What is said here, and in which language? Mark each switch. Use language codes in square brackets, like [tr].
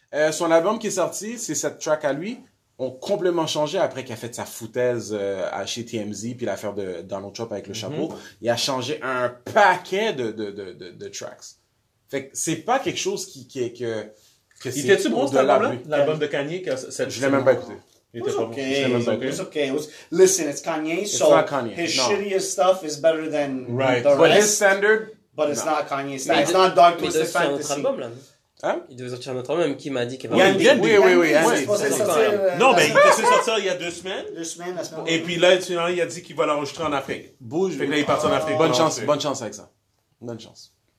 [fr] Son album qui est sorti, c'est cette track à lui. Ont complètement changé après qu'il a fait sa foutaise chez TMZ, puis l'affaire de Donald Trump avec le chapeau. Il a changé un paquet de tracks. Fait que c'est pas quelque chose qui est que c'est... Il était-tu bon cet album-là? L'album de Kanye? Je l'ai même pas écouté. [en] It's okay. Listen, it's Kanye, so his shittiest stuff is better than the rest. But his standard? But it's not Kanye. It's not Dark Twisted Fantasy. [fr] Il devait sortir un autre même qui m'a dit qu'il y avait un autre. Il s'est sorti il y a deux semaines. Deux semaines, la semaine. Et puis là, il a dit qu'il va l'enregistrer en Afrique. Bouge. Fait que là, il part en Afrique. Bonne chance avec ça. Bonne chance.